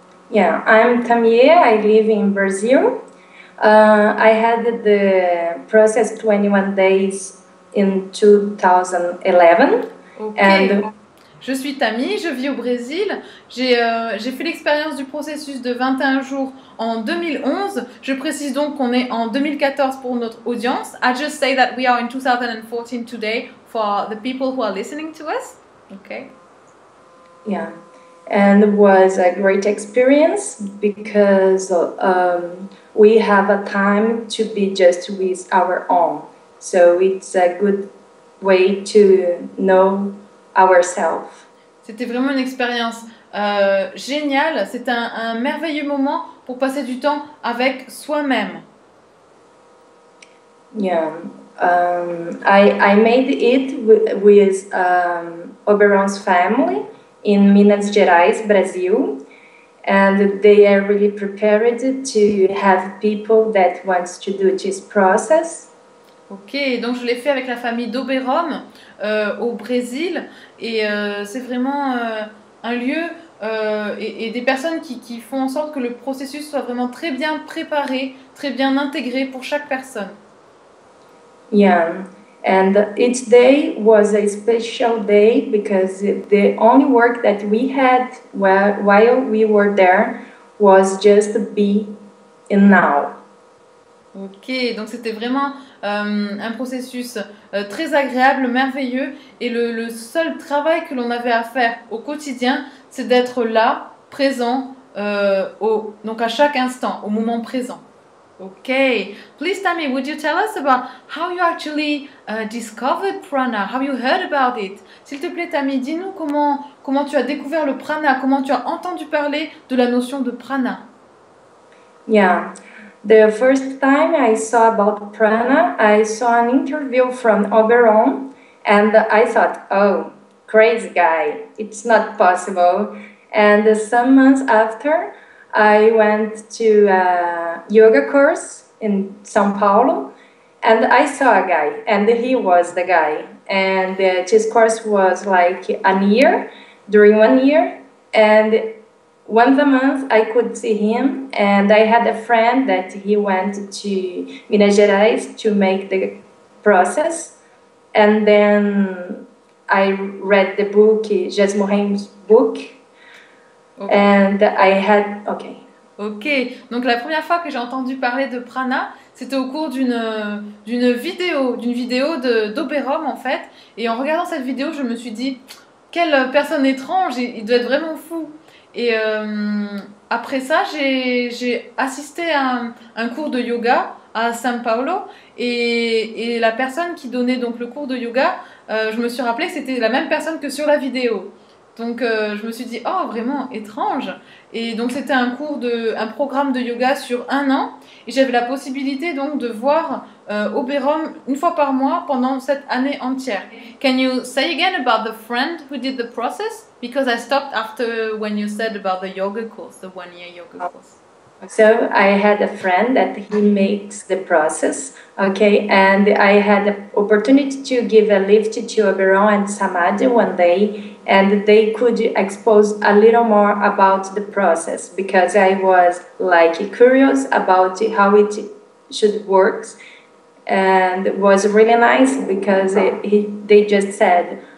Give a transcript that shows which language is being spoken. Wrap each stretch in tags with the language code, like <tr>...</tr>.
<en>Yeah, I'm Tammy. I live in Brazil. I had the process 21 days in 2011.</en> <fr>Ok. And je suis Tammy, je vis au Brésil. J'ai fait l'expérience du processus de 21 jours en 2011. Je précise donc qu'on est en 2014 pour notre audience.</fr> <en>I just say that we are in 2014 today for the people who are listening to us. Okay. Yeah. And it was a great experience because we have a time to be just with our own. So it's a good way to know ourselves.</en> <fr>C'était vraiment une expérience géniale. C'est un merveilleux moment pour passer du temps avec soi-même.</fr> <en>Yeah, I made it with Oberon's family in Minas Gerais, Brazil, and they are really prepared to have people that wants to do this process.</en> <fr>Ok, donc je l'ai fait avec la famille d'Oberon au Brésil et c'est vraiment un lieu et des personnes qui font en sorte que le processus soit vraiment très bien préparé, très bien intégré pour chaque personne.</fr> <en>Yeah, and each day was a special day because the only work that we had while we were there was just be in now.</en> <fr>Ok, donc c'était vraiment un processus très agréable, merveilleux, et le seul travail que l'on avait à faire au quotidien, c'est d'être là, présent, donc à chaque instant, au moment présent.</fr> <en>Ok, please Tammy, would you tell us about how you actually discovered prana, how you heard about it?</en> <fr>S'il te plaît Tammy, dis-nous comment tu as découvert le prana, comment tu as entendu parler de la notion de prana.</fr> <en>Yeah. The first time I saw about prana, I saw an interview from Oberon, and I thought, oh, crazy guy, it's not possible. And some months after, I went to a yoga course in São Paulo, and I saw a guy, and he was the guy. And this course was like an year, during 1 year, and once a month, I could see him, and I had a friend that he went to Minas Gerais to make the process. And then I read the book, Jess Mohamed's book, okay. And I had... Okay.</en> <fr>Okay, donc la première fois que j'ai entendu parler de prana, c'était au cours d'une vidéo d'Oberon, en fait. Et en regardant cette vidéo, je me suis dit, quelle personne étrange, il doit être vraiment fou. Et après ça, j'ai assisté à un cours de yoga à São Paulo et la personne qui donnait donc le cours de yoga, je me suis rappelé que c'était la même personne que sur la vidéo. Donc je me suis dit, oh vraiment étrange. Et donc c'était un programme de yoga sur un an et j'avais la possibilité donc de voir Oberon une fois par mois pendant cette année entière.</fr> <en>Can you say again about the friend who did the process? Because I stopped after when you said about the yoga course, the 1 year yoga course. So I had a friend that he makes the process, okay, and I had the opportunity to give a lift to Oberon and Samadhi one day, and they could expose a little more about the process because I was like curious about how it should work, and it was really nice because they just said,</en>